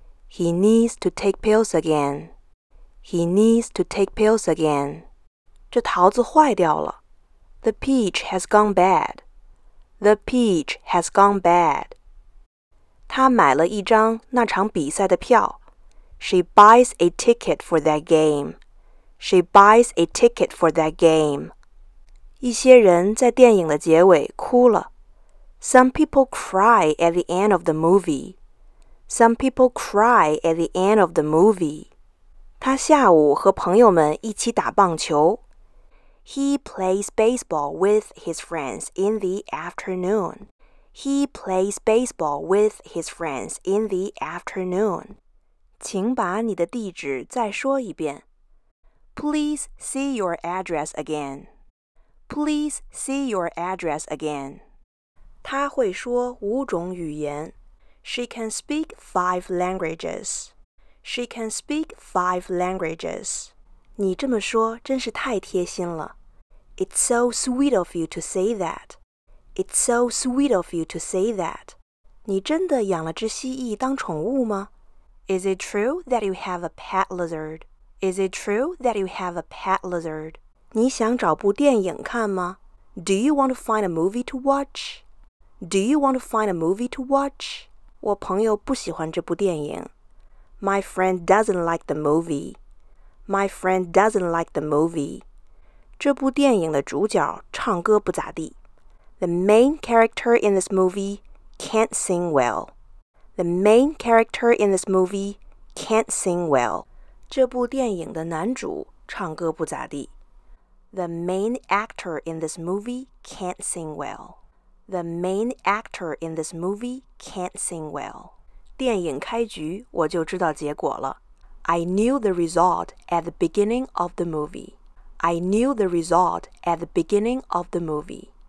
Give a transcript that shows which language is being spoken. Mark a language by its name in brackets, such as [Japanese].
[English] He needs to take pills again. He needs to take pills again. [Chinese] 这桃子坏掉了。 [English] The peach has gone bad. The peach has gone bad. [Chinese] 她买了一张那场比赛的票。 [English] She buys a ticket for that game. She buys a ticket for that game. [Chinese] 一些人在电影的结尾哭了。 [English] Some people cry at the end of the movie. Some people cry at the end of the movie. [Chinese] 他下午和朋友们一起打棒球。 [English] He plays baseball with his friends in the afternoon. He plays baseball with his friends in the afternoon. [Chinese] 请把你的地址再说一遍。 [English] Please see your address again. Please see your address again. [Chinese] 她会说五种语言。 [English] She can speak 5 languages. She can speak 5 languages. [Chinese] 你这么说真是太贴心了。 [English] It's so sweet of you to say that. It's so sweet of you to say that. [Chinese] 你真的养了只蜥蜴当宠物吗？ [English] Is it true that you have a pet lizard? Is it true that you have a pet lizard? [Chinese] 你想找部电影看吗？ [English] Do you want to find a movie to watch? Do you want to find a movie to watch? [Chinese] 我朋友不喜欢这部电影。 [English] My friend doesn't like the movie. My friend doesn't like the movie. [Chinese] 这部电影的主角唱歌不咋地。 [English] The main character in this movie can't sing well. The main character in this movie can't sing well. [Chinese] 这部电影的男主唱歌不咋地。 [English] The main actor in this movie can't sing well. The main actor in this movie can't sing well. [Chinese] 电影开局我就知道结果了。 [English] I knew the result at the beginning of the movie. I knew the result at the beginning of the movie.